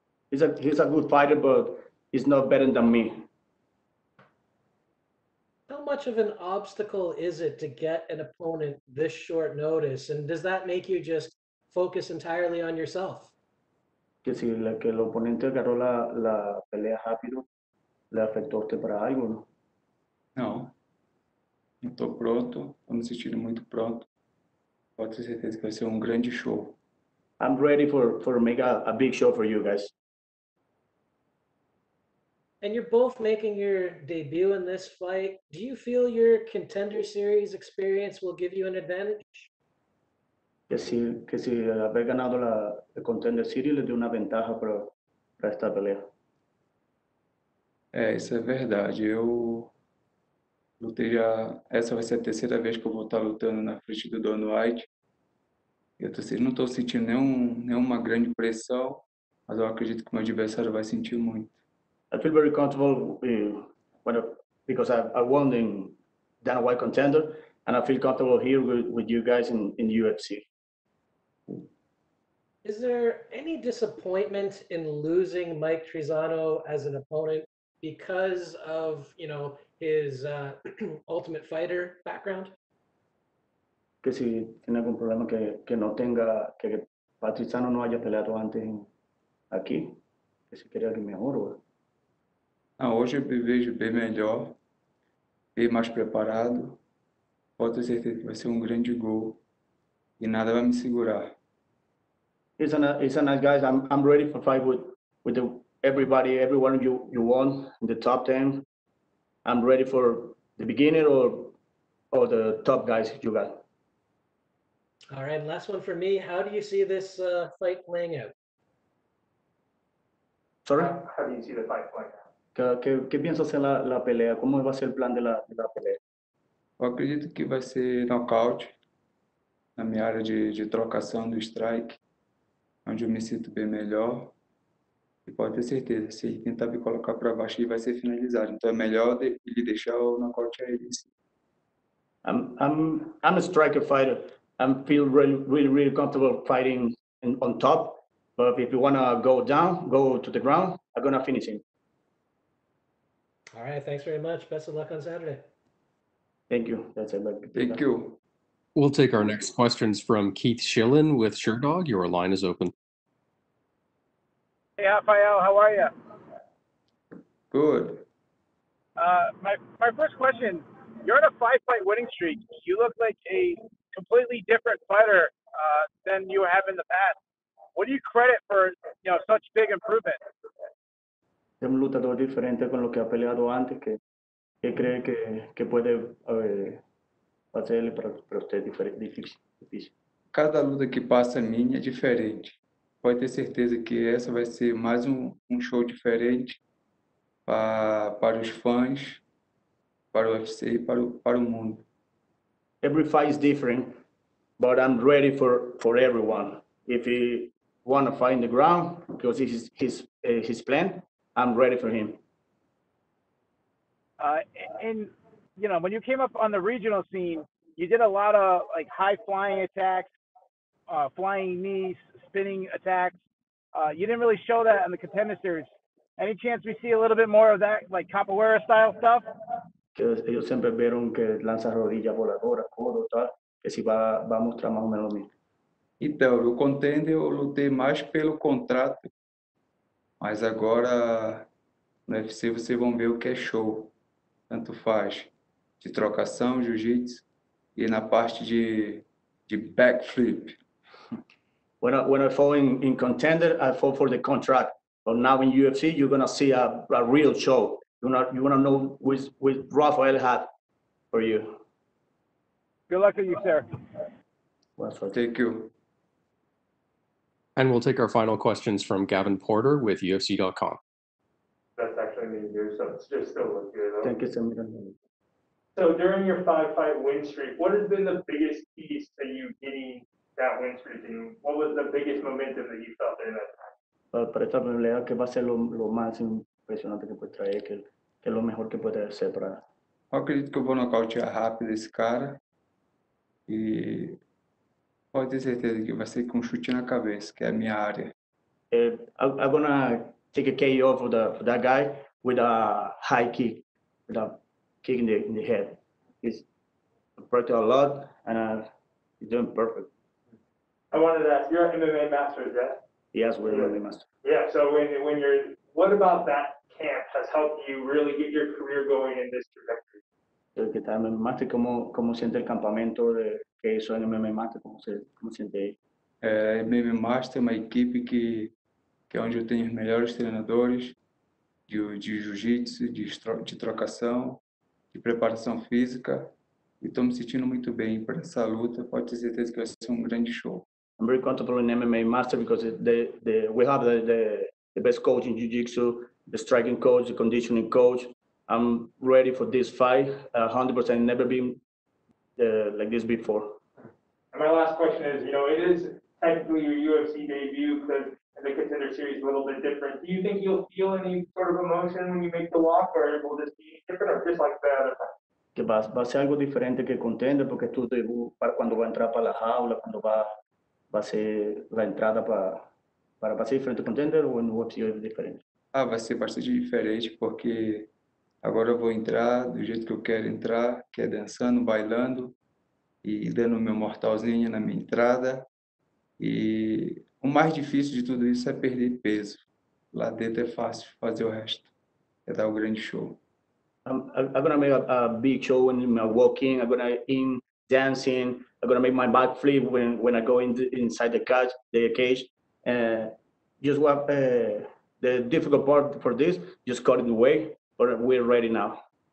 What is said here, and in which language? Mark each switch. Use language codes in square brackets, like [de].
[en] He's a good fighter, but he's not better than me. How much of an obstacle is it to get an opponent this short notice? And does that make you just focus entirely on yourself? [es] Que si la, que el oponente agarró la, la pelea rápido, le afectó usted para algo, ¿no? No. Estoy pronto, estoy me sentindo muy pronto. [pt] Pode ter certeza que vai ser grande show. [en] I'm ready for make a big show for you guys. And you're both making your debut in this fight. Do you feel your contender series experience will give you an advantage? [es] Que si haber ganado la Contender Series le dio una ventaja para esta pelea. Eso es verdad. Yo lutei ya, esa va a ser la tercera vez que voy a estar lutando en frente de Don White. Y entonces no estoy sintiendo ninguna gran presión, pero acredito que mi adversario va a sentir mucho. [en] I feel very comfortable because I won in Dana White Contender, and I feel comfortable here with you guys in UFC. Is there any disappointment in losing Mike Trizano as an opponent because of, you know, his Ultimate Fighter background? [es] Que si tiene algún problema que no tenga, que Mike Trizano no haya peleado antes aquí, que si quería que mejor. [pt] Ah, hoje eu me vejo bem melhor, bem mais preparado. Pode ter certeza que vai ser grande gol e nada vai me segurar. [en] It's a nice guy. I'm ready for fight with the, everybody, everyone you want in the top 10. I'm ready for the beginner or the top guys you got. All right, last one for me. How do you see this fight playing out? Sorry? How do you see the fight playing out? [es] Que piensa hacer la pelea? ¿Cómo va a ser el plan de la pelea? Yo acredito que va a ser knockout en mi área de trocación del strike, donde me siento bien mejor. Y puede tener certeza, si intenta me colocar para abajo, va a ser finalizado. Entonces es mejor de dejar el knockout a él. [en] I'm a striker fighter. I feel really, really, really comfortable fighting on top. But if you want to go down, go to the ground, I'm going to finish him. All right, thanks very much. Best of luck on Saturday. Thank you. That's it. Thank you. We'll take our next questions from Keith Schillen with SureDog. Your line is open. Hey, Rafael, how are you? Good. My first question, you're on a five-fight winning streak. You look like a completely different fighter than you have in the past. What do you credit for, you know, such big improvement? [es] Es un luchador diferente con lo que ha peleado antes, que cree que puede hacerle para usted difícil. Cada luta que pasa a mí es diferente. Puede tener certeza que esa va a ser más un show diferente para los fans, para el UFC y para el mundo. [en] Every fight is different, but I'm ready for everyone. If he want to fight in the ground, because this is his plan, I'm ready for him. And you know, when you came up on the regional scene, you did a lot of like high flying attacks, flying knees, spinning attacks. You didn't really show that on the contender series. Any chance we see a little bit more of that, like capoeira style stuff? [es] Ellos siempre vieron que lanza rodillas voladoras, codo, tal, que si va a mostrar más o menos lo mismo. [pt] Então, no contender eu lutei mais pelo contrato. Mas agora no UFC vocês vão ver o que é show. Tanto faz de trocação, jiu-jitsu e na parte de backflip. [en] When I fall in contender, I fall for the contract. But now in UFC, you're gonna see a real show. You wanna know with Rafael had for you. Good luck to you, sir. Thank you. And we'll take our final questions from Gavin Porter with UFC.com. That's actually me here, so it's just still look good. Thank you so much. So during your 5-fight win streak, what has been the biggest piece to you getting that win streak? And what was the biggest momentum that you felt in that time? [es] Para esta pelea que va a ser lo más impresionante que puede traer, que es lo mejor que puede hacer para. [pt] Eu acredito que eu vou nocautear rápido esse cara. E pode ter certeza que vai ser com um chute na cabeça, que é a minha área. [en] I'm gonna take a KO for that guy with a high kick, with a kick in the head. He's practicing a lot and he's doing perfect. I wanted to ask, you're an MMA master, is that? Yes, we're really master. Yeah, so when you're, what about that camp has helped you really get your career going in this trajectory? [es] El que está en master, cómo siente el campamento de que hizo en MMA master, cómo siente ahí? MMA master es una equipe que es donde yo tengo los mejores treinadores de jiu-jitsu, de trocação, de preparação física, y estoy me sentindo muy bien para esa luta. [pt] Pode ter certeza que [es] va a ser un gran show. [en] I'm very comfortable in MMA master because we have the best coach in jiu-jitsu, the striking coach, the conditioning coach. I'm ready for this fight 100%. Never been like this before. And my last question is, you know, it is technically your UFC debut because the contender series is a little bit different. Do you think you'll feel any sort of emotion when you make the walk, or will this be different or just like the other time? [es] Que va a ser algo diferente que contender porque tu debut para cuando va a entrar para la jaula, cuando va a ser la entrada para ser diferente contender [pt] ou no UFC é diferente? Ah, vai ser bastante diferente porque agora eu vou entrar do jeito que eu quero entrar, que é dançando, bailando e dando meu mortalzinho na minha entrada. E o mais difícil de tudo isso é perder peso. Lá dentro é fácil fazer o resto, é dar o grande show. [en] I'm gonna make a big show when I'm walking, I'm gonna in dancing, I'm gonna make my back flip when I go inside the cage. Just what the difficult part for this, just cut it away, but we're ready now.